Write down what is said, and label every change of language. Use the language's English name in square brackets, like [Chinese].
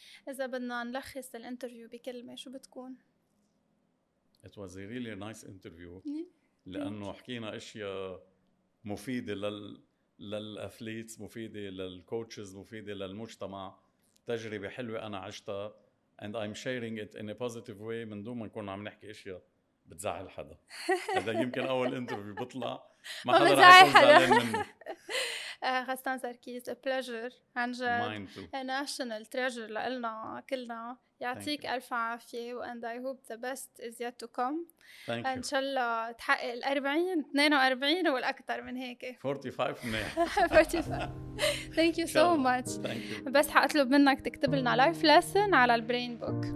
[Arabic] إذا بدنا نلخص الانترفيو بكلمة شو بتكون؟ [English] It was a really nice interview. [Arabic] لأنه حكينا أشياء مفيدة للأثليتس، مفيدة للكوتشز، مفيدة للمجتمع، تجربة حلوة أنا عشتها [English] and I'm sharing it in a positive way [Arabic] من دون ما نكون عم نحكي أشياء بتزعل حدا. هذا يمكن أول انترفيو بطلع ما حدا رح يكون زعلان مني. غسان زركيز [English] a pleasure [Arabic] عن جد [English] a national treasure [Arabic] لقلنا كلنا. يعطيك ألف عافية [English] and I hope the best is yet to come. [Arabic] إن شاء الله تحقق 40-42 والأكثر من هيك 45 [English] thank you so much. Thank you. [Arabic] بس حأطلب منك تكتب لنا life lesson على البرين بوك.